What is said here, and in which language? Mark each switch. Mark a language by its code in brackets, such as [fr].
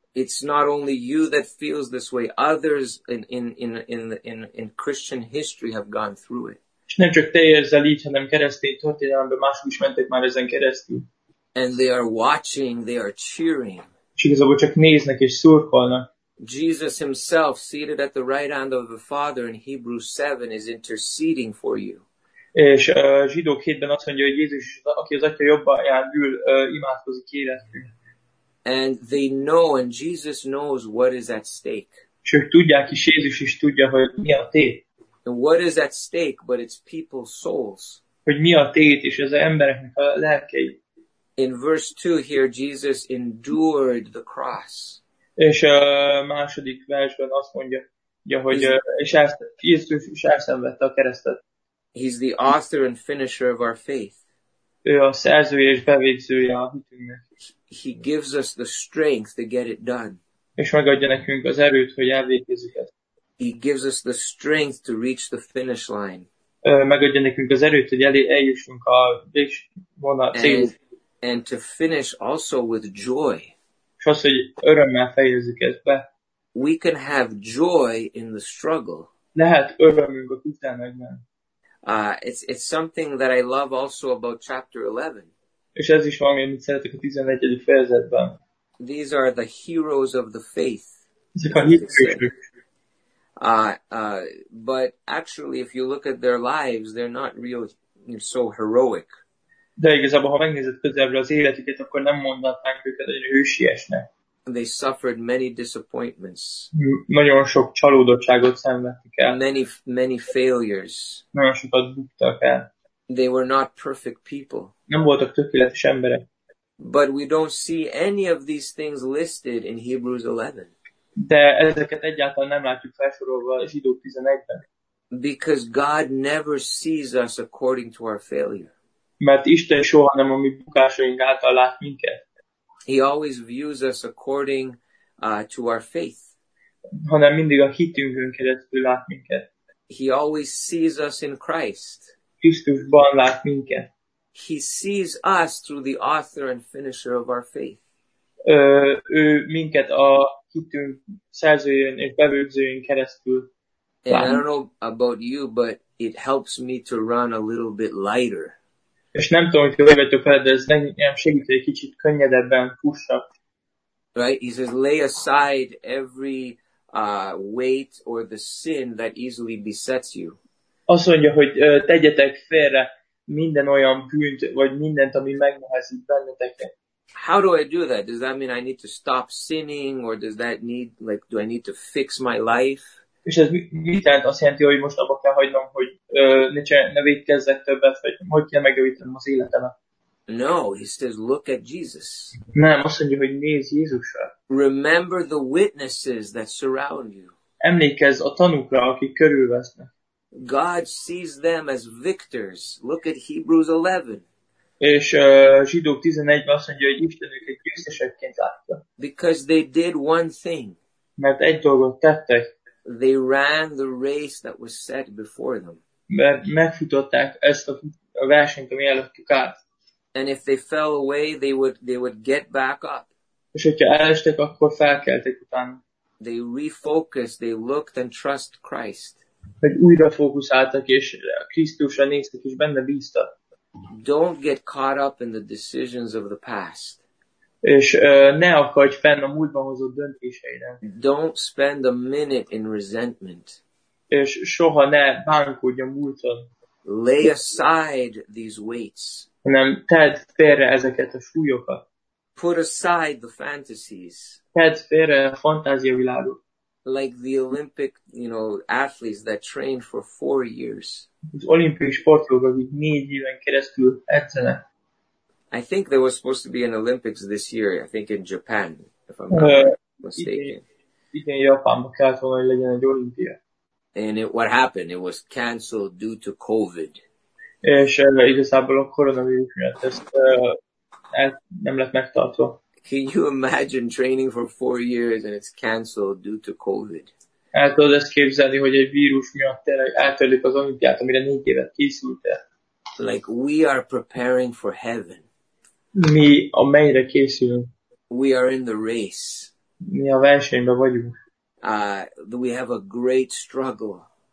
[en] It's not only you that feels this way. Others in Christian history have gone through it. [hu] És nem csak te érzel így, hanem keresztény történelemben mások is mentek már ezen keresztül. [en] And they are watching, they are cheering. [hu] És igazából csak néznek és szurkolnak. [en] Jesus himself seated at the right hand of the Father in Hebrews 7 is interceding for you. [hu] És Zsidók 7-ben azt mondja, hogy Jézus, aki az Atya jobbáján ül, imádkozik érettünk. [en] And they know, and Jesus knows what is at stake. [hu] És ők tudják, és Jézus is tudja, hogy mi a tét. [en] And what is at stake, but it's people's souls. [hu] Hogy mi a tét, és ez az embereknek a lelkei. [en] In verse 2 here, Jesus endured the cross. [hu] És a második versben azt mondja, hogy Jézus is elszenvedte a keresztet. [en] He's the author and finisher of our faith. [hu] Ő a szerzője és bevégzője a hitünknek. [en] He gives us the strength to get it done. [hu] És megadja nekünk az erőt, hogy elvégezzük ezt. [en] He gives us the strength to reach the finish line. [hu] Megadja nekünk az erőt, hogy eljussunk a végvonal célhoz. [en] And to finish also with joy. [hu] És az, hogy örömmel fejezzük ezt be. [en] We can have joy in the struggle. [hu] Lehet örömünk a küzdelmekben. [en] It's something that I love also about chapter 11. [hu] És ez is valami, amit szeretek a 11. fejezetben. [en] These are the heroes of the faith. [hu] Ezek a hitvesek. [en] But actually, if you look at their lives, they're not real, so heroic. [hu] De igazából, ha megnézed közelebbre az életüket, akkor nem mondhatnánk őket, hogy hősiesnek. [en] They suffered many disappointments. [hu] Nagyon sok csalódottságot szenvedtek el. [en] Many failures. [hu] Nagyon sokat buktak el. [en] They were not perfect people. [hu] Nem voltak tökéletes emberek. [en] But we don't see any of these things listed in Hebrews 11. [hu] De ezeket egyáltalán nem látjuk felsorolva a Zsidók 11-ben. [en] Because God never sees us according to our failure. [hu] Mert Isten soha nem a mi bukásaink által lát minket. [en] He always views us according to our faith. [hu] Hanem mindig a hitünkön keresztül lát minket. [en] He always sees us in Christ. [hu] Krisztusban lát minket. [en] He sees us through the author and finisher of our faith. [hu] Ő minket a hitünk szerzőjén és bevőzőjén keresztül lát. [en] And I don't know about you, but it helps me to run a little bit lighter. [hu] És nem tudom, hogy hogy vagytok fel, de ez nem segít, hogy egy kicsit könnyedebben fussak. [en] Right? He says, lay aside every weight or the sin that easily besets you. [hu] Azt mondja, hogy tegyetek félre minden olyan bűnt, vagy mindent, ami megnehezít benneteket. [en] How do I do that? Does that mean I need to stop sinning, or does that need, like, do I need to fix my life? [hu] És ez mit jelent? Azt jelenti, hogy most abba kell hagynom, hogy ne védkezzek többet, vagy hogy kell megjavítanom az életemet. [en] No, he says, look at Jesus. [hu] Nem, azt mondja, hogy nézz Jézusra. [en] Remember the witnesses that surround you. [hu] Emlékezz a tanúkra, akik körülvesznek. [en] God sees them as victors. Look at Hebrews 11. [hu] És Zsidók 11-ben azt mondja, hogy Isten őket győztesekként látta. [en] Because they did one thing. [hu] Mert egy dolgot tettek. [en] They ran the race that was set before them. [hu] Mert megfutották ezt a versenyt, ami előttük állt. [en] And if they fell away, they would get back up. [hu] És hogyha elestek, akkor felkeltek utána. [en] They refocused, they looked and trust Christ. [hu] Hogy újra fókuszáltak, és Krisztusra néztek, és benne bíztak. [en] Don't get caught up in the decisions of the past. [hu] És ne akadj fenn a múltban hozott döntéseidre. [en] Don't spend a minute in resentment. [hu] És soha ne bánkodj a múlton. [en] Lay aside these weights. [hu] Nem tedd félre ezeket a súlyokat. [en] Put aside the fantasies. [hu] Tedd félre a fantáziavilágot. [en] Like the Olympic, you know, athletes that train for 4 years. [hu] Az olimpiai sportolók, akik 4 éven keresztül edzenek. [en] I think there was supposed to be an Olympics this year, I think in Japan, if I'm not mistaken. [hu] Igen, Japánban kellett volna, hogy legyen egy olimpia. [en] And it, what happened? It was canceled due to COVID. [hu] És igazából a koronavírus miatt ezt nem lett megtartva. [en] Can you imagine training for 4 years and it's canceled due to COVID? [hu] El tudod ezt képzelni, hogy egy vírus miatt eltörlik az olimpiát, amire 4 évet készültél? [en] Like we are preparing for heaven. [hu] Mi a mennyre készülünk? [en] We are in the race. [hu] Mi a versenyben vagyunk. [en] We have a great struggle.